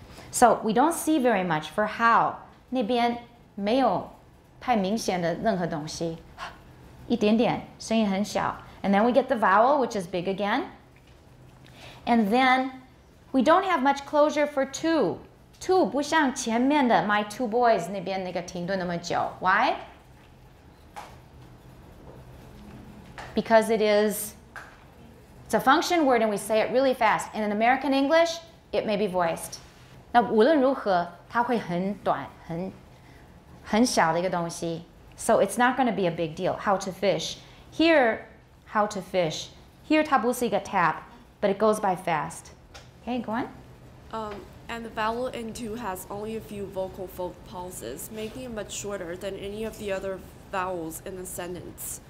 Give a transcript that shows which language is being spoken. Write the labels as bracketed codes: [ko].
[en] So, we don't see very much for how. [zh] 那边没有太明显的任何东西。一点点声音很小。 [en] And then we get the vowel, which is big again. And then we don't have much closure for two. [zh] Two 不像前面的 [en] my two boys [zh] 那边那个停顿那么久。 [en] Why? Because it's a function word and we say it really fast. And in American English, it may be voiced. [zh] 那无论如何它会很短很小的一个东西。 [en] So it's not going to be a big deal. How to fish. How to fish. Here, [zh] 它不是一个 [en] tap, but it goes by fast. Okay, go on. And the vowel in two has only a few vocal pulses, making it much shorter than any of the other vowels in the sentence.